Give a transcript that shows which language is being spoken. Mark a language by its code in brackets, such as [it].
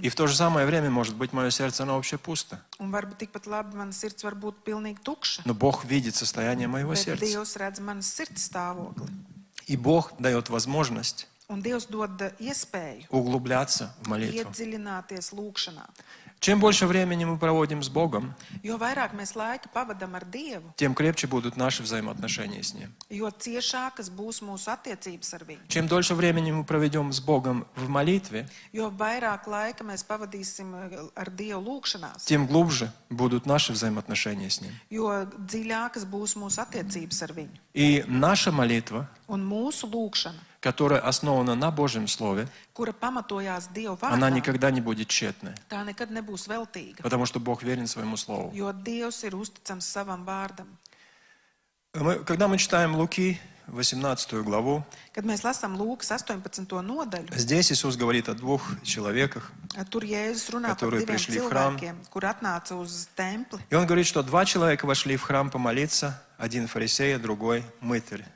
[ru] И в то же самое время, может быть, мое сердце, оно вообще пусто. [lv] Un varbūt tikpat labi, mana sirds var būt pilnīgi tukša. [ru] Но Бог видит состояние моего сердца. [lv] Bet Dievs redz manas sirds stāvokli. [ru] И Бог дает возможность. [lv] Un Dievs dod iespēju. [ru] Углубляться в молитву. [lv] Iedziļināties lūkšanā. [ru] Чем больше времени мы проводим с Богом, [lv] jo vairāk mēs laika pavadam ar Dievu, [ru] тем крепче будут наши взаимоотношения с Ним. [lv] Jo ciešākas būs mūsu attiecības ar Viņu. [ru] Чем дольше времени мы проведем с Богом в молитве, [lv] jo vairāk laika mēs pavadīsim ar Dievu lūkšanās, [ru] тем глубже будут наши взаимоотношения с Ним. [lv] Jo dziļākas būs mūsu attiecības ar Viņu. [ru] И наша молитва, [lv] un mūsu lūkšana, [ru] которая основана на Божьем Слове, она никогда не будет тщетной. [lv] Tā nekad nebūs veltīga, [ru] потому что Бог верен своему Слову. [lv] Jo Dievs ir uzticams savam vārdam. [ru] Когда мы читаем Луки 18 главу, [lv] kad mēs lasām Lūkas 18. Nodaļu, [ru] здесь Иисус говорит о двух человеках, [lv] tur Jēzus runā [ru] которые [lv] par diviem [ru] пришли в храм, [lv] kur atnāca uz templi. [ru] И он говорит, что два человека вошли в храм помолиться, один фарисей, а другой мытарь.